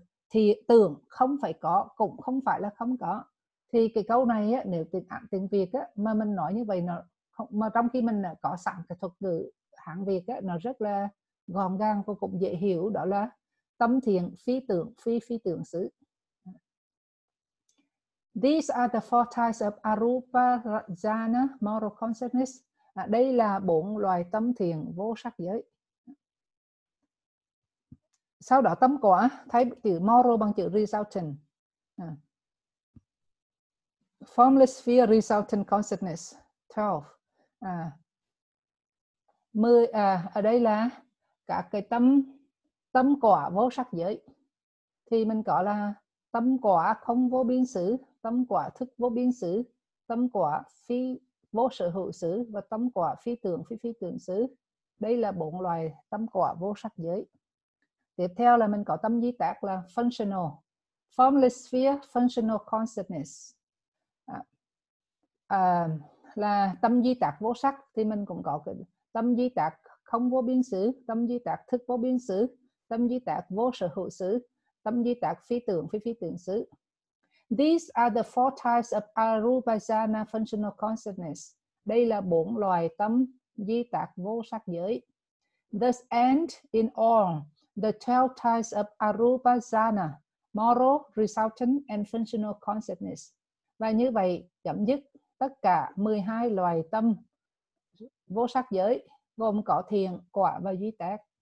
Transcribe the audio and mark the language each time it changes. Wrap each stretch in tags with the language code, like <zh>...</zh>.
<vi>Thì tưởng không phải có cũng không phải là không có. Thì cái câu này á, nếu tiếng Anh tiếng Việt á, mà mình nói như vậy nó không, mà trong khi mình có sẵn cái thuật ngữ Hán Việt á, nó rất là gọn gàng và cũng dễ hiểu, đó là tâm thiền phi tưởng, phi tưởng xứ.</vi> <en>These are the four types of arupa jhana moral consciousness.</en> <vi>Đây là bốn loại tâm thiền vô sắc giới. Sau đó tâm quả, thấy chữ moral bằng chữ resultant.</vi> <en>Formless sphere resultant consciousness 12.</en> <vi>Ở đây là cả cái tâm quả vô sắc giới. Thì mình gọi là tâm quả không vô biên sự, tâm quả thức vô biên sự, tâm quả phi vô sở hữu sự và tâm quả phi tưởng phi tưởng sự. Đây là bốn loại tâm quả vô sắc giới. Tiếp theo là mình có tâm di tác là</vi> <en>functional, formless sphere functional consciousness.</en> <vi>Là tâm di tác vô sắc thì mình cũng có cái tâm di tác không vô biên sự, tâm di tác thức vô biên sự, tâm di tác vô sở hữu sự, tâm di tác phi tưởng phi tưởng sự.</vi> <en>These are the four types of arupa jhana functional consciousness.</en> <vi>Đây là bốn loại tâm di tạc vô sắc giới.</vi> <en>Thus end in all the 12 types of arupa jhana, moral, resultant and functional consciousness.</en> <vi>Và như vậy chấm dứt tất cả 12 loại tâm vô sắc giới, gồm có thiền, quả và duy tạc.</vi>